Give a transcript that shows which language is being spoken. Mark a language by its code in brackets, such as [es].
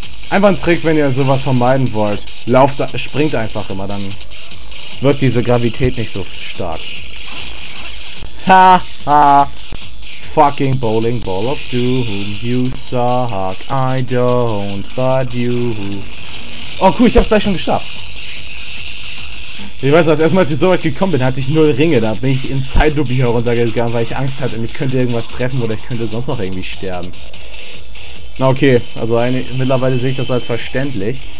[de] Einfach ein Trick, wenn ihr sowas vermeiden wollt. Lauft, springt einfach immer, dann wirkt diese Gravität nicht so stark. [en] Ha ha, fucking bowling ball of doom, you suck, I don't, but you. [de] Oh cool, ich hab's gleich schon geschafft. Ich weiß was, erstmal als ich so weit gekommen bin, hatte ich null Ringe, da bin ich in Zeitlupe hier runtergegangen, weil ich Angst hatte, mich könnte irgendwas treffen oder ich könnte sonst noch irgendwie sterben. Na okay, also mittlerweile sehe ich das als verständlich.